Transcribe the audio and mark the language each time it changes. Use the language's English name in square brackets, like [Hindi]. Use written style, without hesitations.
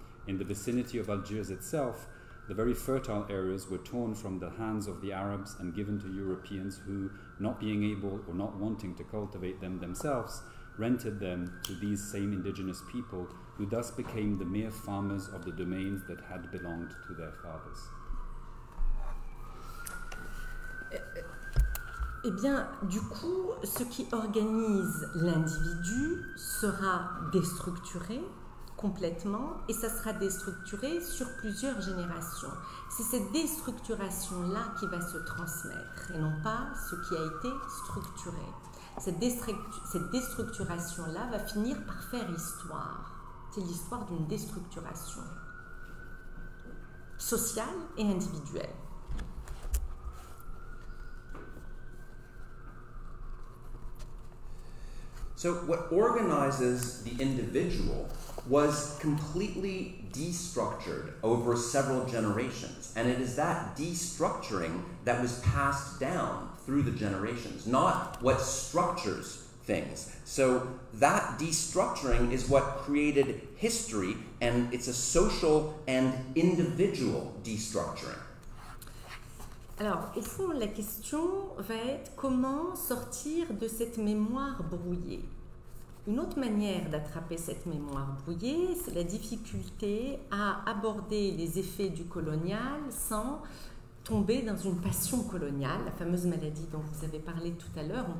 [English] In the vicinity of Algiers itself, the very fertile areas were torn from the hands of the Arabs and given to Europeans who, not being able or not wanting to cultivate them themselves, rented them to these same indigenous people who thus became the mere farmers of the domains that had belonged to their fathers. [French] Eh bien, du coup, ce qui organise l'individu sera déstructuré complètement, et ça sera déstructuré sur plusieurs générations. C'est cette déstructuration-là qui va se transmettre, et non pas ce qui a été structuré. Cette déstructuration-là va finir par faire histoire. C'est l'histoire d'une déstructuration sociale et individuelle. [English] So what organizes the individual was completely destructured over several generations. And it is that destructuring that was passed down through the generations, not what structures things. So that destructuring is what created history, and it's a social and individual destructuring. [French] Alors, au fond, la question va être comment sortir de cette mémoire brouillée. Une autre manière d'attraper cette mémoire brouillée, c'est la difficulté à aborder les effets du colonial sans tomber dans une passion coloniale, la fameuse maladie dont vous avez parlé tout à l'heure.